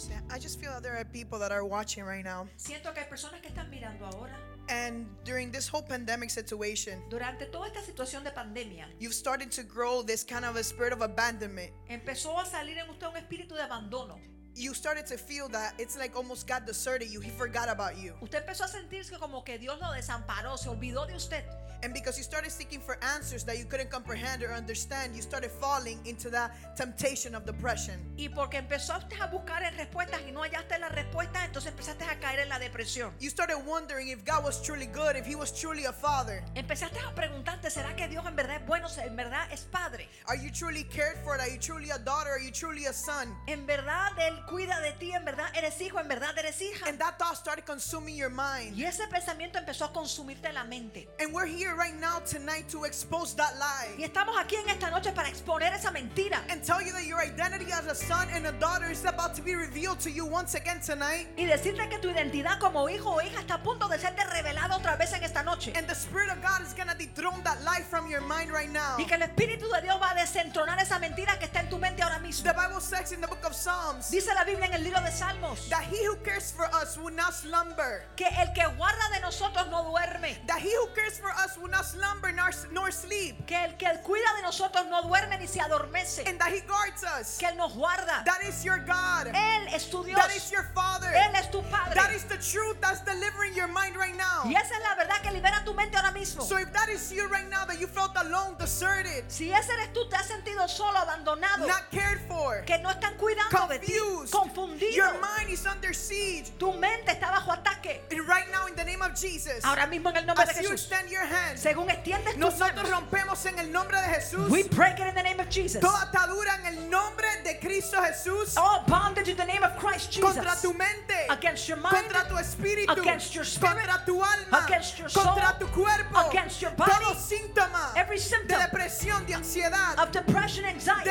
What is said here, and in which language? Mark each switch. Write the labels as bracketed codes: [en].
[en] I just feel that there are people that are watching right now. [es] Siento que hay personas que están mirando ahora. [en] And during this whole pandemic situation, [es] durante toda esta situación de pandemia, [en] you've started to grow this kind of a spirit of abandonment. [es] Empezó a salir en usted un espíritu de abandono. [en] You started to feel that it's like almost God deserted you. He forgot about you. [es] Usted empezó a sentirse como que Dios lo desamparó, se olvidó de usted. [en] And because you started seeking for answers that you couldn't comprehend or understand, you started falling into that temptation of depression. [es] Y porque empezó usted a buscar en respuestas y no hallaste la respuesta, entonces empezaste a caer en la depresión. [en] You started wondering if God was truly good, if He was truly a father. [es] Empezaste a preguntarte, ¿será que Dios en verdad es bueno, en verdad es padre? [en] Are you truly cared for? Are you truly a daughter? Are you truly a son? [es] En verdad él cuida de ti, en verdad eres hijo, en verdad eres hija. [en] And that thought started consuming your mind. [es] Y ese pensamiento empezó a consumirte la mente. [en] And we're here right now tonight to expose that lie. [es] Y estamos aquí en esta noche para exponer esa mentira. [en] And tell you that your identity as a son and a daughter is about to be revealed to you once again tonight. [es] Y decirte que tu identidad como hijo o hija está a punto de ser revelado otra vez en esta noche. [en] And the spirit of God is going to dethrone that lie from your mind right now. [es] Y que el espíritu de Dios va a desentronar esa mentira que está en tu mente ahora mismo. [en] The Bible says in the book of Psalms. [es] Dice la Biblia en el libro de Salmos. [en] That he who cares for us will not slumber. [es] Que el que guarda de nosotros no duerme. [en] That he who cares for us will not slumber nor sleep. [es] Que el que cuida de nosotros no duerme ni se adormece. [en] And that he guards us. [es] Que él nos guarda. [en] That is your God. [es] Él es tu Dios. [en] That is your Father. [es] Él es tu Padre. [en] That is the truth that's delivering your mind right now. [es] Y esa es la verdad que libera tu mente ahora mismo. [en] So if that is you right now, that you felt alone, deserted. [es] Si ese eres tú, te has sentido solo, abandonado. [en] Not cared for. [es] Que no están cuidando. [en] Confused. [es] De ti. Confundido. [en] Your mind is under siege. [es] Tu mente está bajo ataque. [en] And right now, in the name of Jesus. [es] Ahora mismo en el nombre [en] as [es] de Jesús. [en] As you extend your hand. [es] Según extiendes tus manos. Nosotros rompemos en el nombre de Jesús. [en] We break it in the name of Jesus. [es] Toda atadura en el nombre de Cristo Jesús. [en] All bondage in the name of Christ Jesus. [es] Contra tu mente. [en] Against your mind. [es] Contra tu espíritu. [en] Against your spirit. [es] Contra tu alma. [en] Against your soul. [es] Contra tu cuerpo. [en] Against your body. [es] Todo síntoma. [en] Every symptom. [es] De depresión, de ansiedad. [en] Of depression, anxiety.